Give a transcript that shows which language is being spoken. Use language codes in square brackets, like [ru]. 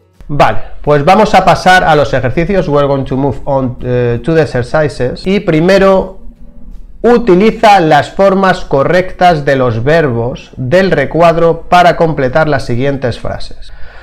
[es] Vale, pues vamos a pasar a los ejercicios. [en] We're going to move on to the exercises. [es] Y primero, utiliza las formas correctas de los verbos del recuadro para completar las siguientes frases.